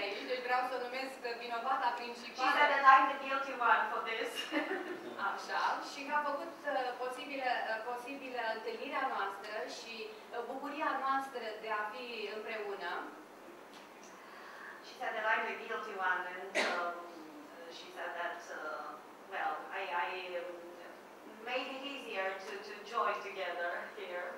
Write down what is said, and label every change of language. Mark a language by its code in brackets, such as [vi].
[ro] Deci vreau să o numesc vinovata principală. [en] She said that I'm the guilty one for this. [ro] Așa. Și a făcut posibilă întâlnirea noastră și bucuria noastră de a fi împreună. [en] She said that I'm the guilty one and she said that I made it easier to join together here.